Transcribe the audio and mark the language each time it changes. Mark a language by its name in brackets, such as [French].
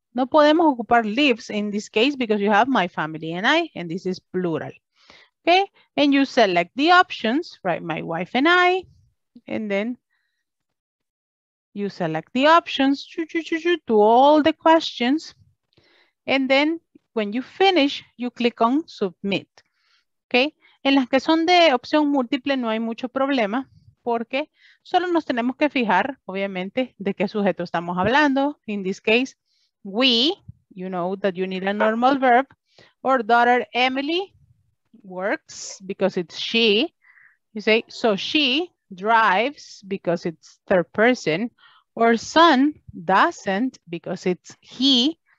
[Spanish] No podemos ocupar [English] lives in this case because you have my family and I, and this is plural, okay? And you select the options, right? My wife and I, and then you select the options to all the questions, and then when you finish, you click on submit, okay? [Spanish] En las que son de opción múltiple no hay mucho problema porque solo nos tenemos que fijar, obviamente, de qué sujeto estamos hablando. [English] In this case, we, you know that you need a normal verb, or daughter Emily works because it's she. You say, so she drives because it's third person, or son doesn't because it's he.